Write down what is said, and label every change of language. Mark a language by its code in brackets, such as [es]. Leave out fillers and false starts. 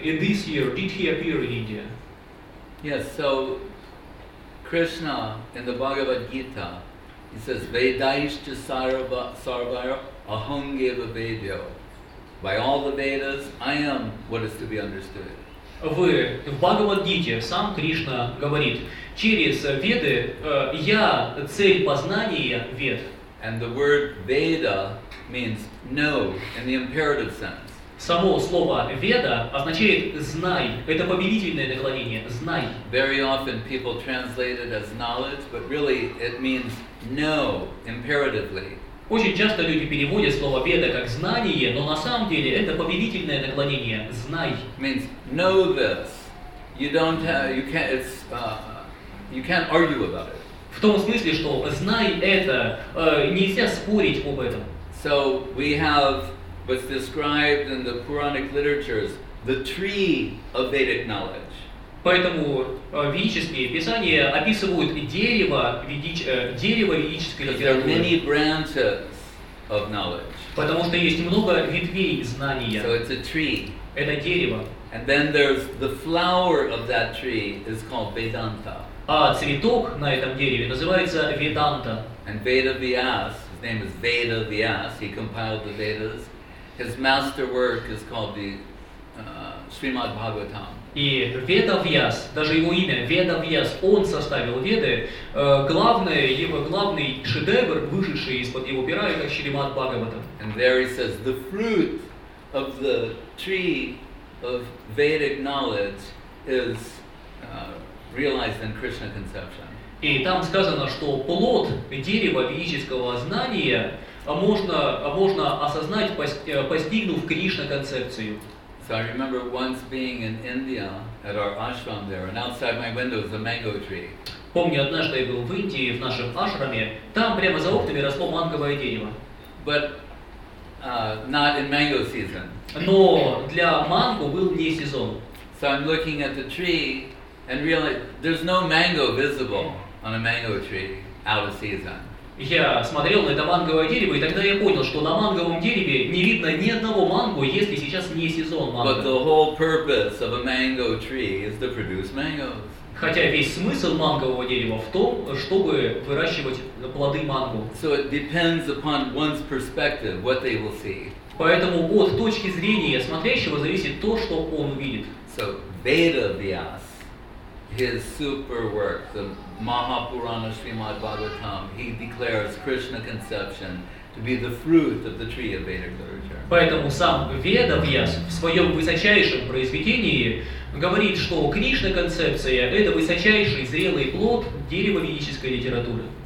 [en] In this year, did he appear in India? Yes, so Krishna in the Bhagavad Gita. He says, [sa] Vedaishcha sarvaya ahangeva vedyo. [en] By all the Vedas, I am what is to be understood. [ru] В Бхагавад-гите сам Кришна говорит, через Веды я цель познания Вед. [en] And the word Veda means know in the imperative sense. [ru] Само слово Веда означает знай. Это повелительное наклонение, знай. [en] Very often people translate it as knowledge, but really it means know imperatively. [ru] Очень часто люди переводят слово «веда» как «знание», но на самом деле это повелительное наклонение «знай». [en] Means know this. You don't have, you can't, it's, you can't argue about it. [ru] В том смысле, что «знай» это, нельзя спорить об этом. [en] So we have what's described in the Puranic literatures, the tree of Vedic knowledge. [ru] Поэтому ведические писания описывают дерево ведической литературы. Потому что есть много ветвей знания. [en] So it's a tree. [ru] Это дерево. [en] And then there's the flower of that tree is called Vedanta. [ru] А цветок на этом дереве называется Веданта. [en] And Veda Vyas, his name is Veda Vyas, he compiled the Vedas. His masterwork is called the Srimad Bhagavatam. [ru] И Ведавьяс, даже его имя Ведавьяс, он составил Веды. Главное его главный шедевр, вышедший из-под его пера, это Шримад Бхагаватам. [en] And there he says the fruit of the tree of Vedic knowledge is realized in Krishna conception. [ru] И там сказано, что плод дерева ведического знания можно осознать, постигнув Кришна концепцию. [en] So I remember once being in India at our ashram there, and outside my window was a mango tree. [ru] Помню, однажды я был в Индии в нашем ашраме. Там прямо за окнами росло манговое дерево. [en] But not in mango season. [ru] Но для манго был не сезон. [en] So I'm looking at the tree and really there's no mango visible on a mango tree out of season. [ru] Я смотрел на это манговое дерево, и тогда я понял, что на манговом дереве не видно ни одного манго, если сейчас не сезон манго. [en] But the whole purpose of a mango tree is to produce mangoes. [ru] Хотя весь смысл мангового дерева в том, чтобы выращивать плоды манго. [en] So it depends upon one's perspective, what they will see. [ru] Поэтому от точки зрения смотрящего зависит то, что он увидит. [en] So Veda Vyas, his super work, the Mahapurana Srimad Bhagavatam, he declares Krishna conception to be the fruit of the tree of Vedic literature. [ru] Поэтому сам Веда Вьяс в своем высочайшем произведении говорит, что Кришна концепция – это высочайший зрелый плод дерева ведической литературы.